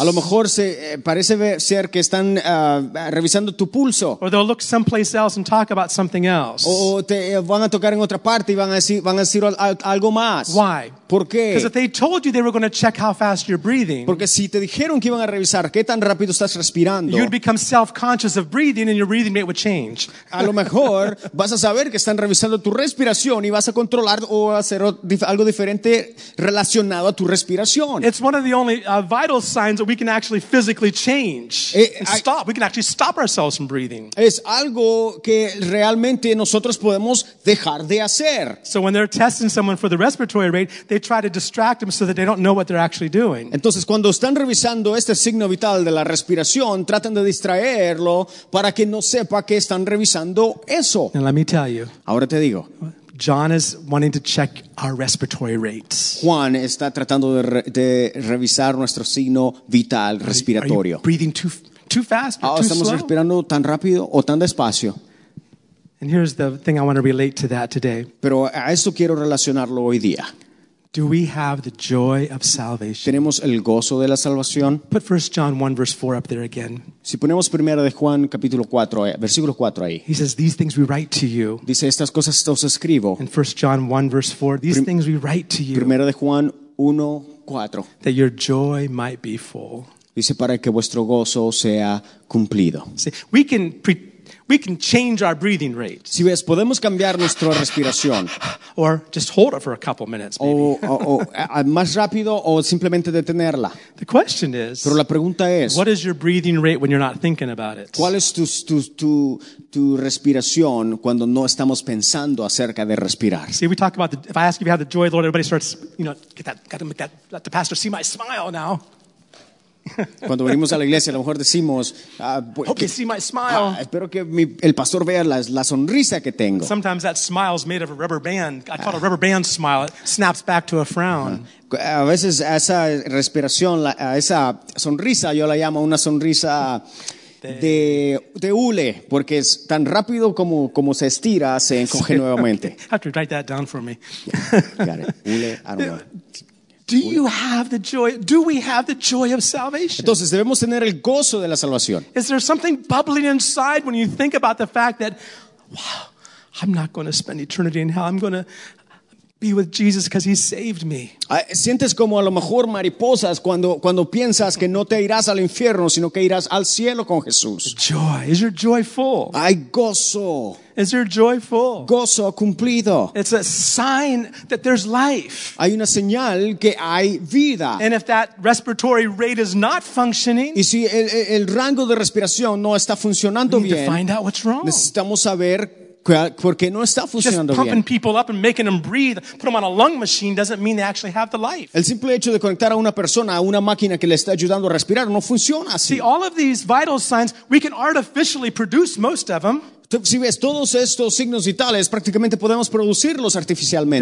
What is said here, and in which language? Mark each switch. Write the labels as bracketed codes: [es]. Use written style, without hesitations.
[es] A lo mejor se parece ser que están revisando tu pulso. [en] Or they'll look someplace else and talk about something else. [es] O te van a tocar en otra parte y van a decir algo más. [en] Why? [es] ¿Por qué? [en] Because if they told you they were going to check how fast you're breathing, [es] porque si te dijeron que iban a revisar qué tan rápido estás respirando, [en] you'd become self-conscious of breathing and your breathing rate would change. [es] A lo mejor vas a saber que están revisando tu respiración y vas a controlar o hacer algo diferente relacionado a tu respiración. [en] It's one of the only vital signs that we can actually physically change and stop. We can actually stop ourselves from breathing. [es] Es algo que realmente nosotros podemos dejar de hacer. [en] So when they're testing someone for the respiratory rate, they try to distract them so that they don't know what they're actually doing. [es] Entonces, cuando están revisando este signo vital de la respiración, tratan de distraerlo para que no sepa que están revisando eso. [en] And let me tell you. [es] Ahora te digo. [en] John is wanting to check our respiratory rates. [es] Juan está tratando de revisar nuestro signo vital respiratorio. [en] Are you breathing too fast or too slow? [es] ¿Estamos respirando tan rápido o tan despacio? [en] And here's the thing I want to relate to that today. [es] Pero a esto quiero relacionarlo hoy día. [en] Do we have the joy of salvation? [es] ¿Tenemos el gozo de la salvación? [en] Put 1 John 1 verse 4 up there again. [es] Si ponemos 1 de Juan capítulo 4, versículo 4 ahí. [en] He says, these things we write to you. [es] Dice, estas cosas os escribo. [en] In 1 John 1 verse 4, these things we write to you. [es] 1 de Juan 1, 4. [en] That your joy might be full. [es] Dice, para que vuestro gozo sea cumplido. [en] See, we can change our breathing rate. [es] Si ves, podemos cambiar nuestra respiración. [en] Or just hold it for a couple minutes, maybe. [es] más rápido o simplemente detenerla. [en] The question is, [es] pero la pregunta es, [en] what is your breathing rate when you're not thinking about it? [es] ¿Cuál es tu respiración cuando no estamos pensando acerca de respirar? [en] See, we talk about if I ask if you have the joy of the Lord, everybody starts, let the pastor see my smile now. [es] Cuando venimos a la iglesia, a lo mejor decimos, [en] hope you see my smile. [es] Espero que el pastor vea la sonrisa que tengo. [en] Sometimes that smile is made of a rubber band. I call it a rubber band smile. It snaps back to a frown. [es] A veces esa respiración, esa sonrisa, yo la llamo una sonrisa de hule, porque es tan rápido como se estira, se encoge nuevamente. [en] Okay. I have to write that down for me. Got it. Hule, I don't know. Do you have the joy? Do we have the joy of salvation? [es] Entonces, debemos tener el gozo de la salvación. [en] Is there something bubbling inside when you think about the fact that, wow, I'm not going to spend eternity in hell. I'm going to be with Jesus because he saved me. [es] Sientes como a lo mejor mariposas cuando piensas que no te irás al infierno, sino que irás al cielo con Jesús. [en] Joy. Is your joy full? [es] Hay gozo. [en] Is there joy full? [es] Gozo cumplido. [en] It's a sign that there's life. [es] Hay una señal que hay vida. [en] And if that respiratory rate is not functioning, [es] y si el rango de respiración no está funcionando bien, [en] we need to find out what's wrong. [es] Necesitamos saber ¿por qué no está funcionando bien? [en] Just pumping People up and making them breathe, put them on a lung machine doesn't mean they actually have the life. [es] El simple hecho de conectar a una persona a una máquina que le está ayudando a respirar no funciona así. [en] See, all of these vital signs, we can artificially produce most of them. [es] Si ves, todos estos signos vitales prácticamente podemos producirlos artificialmente.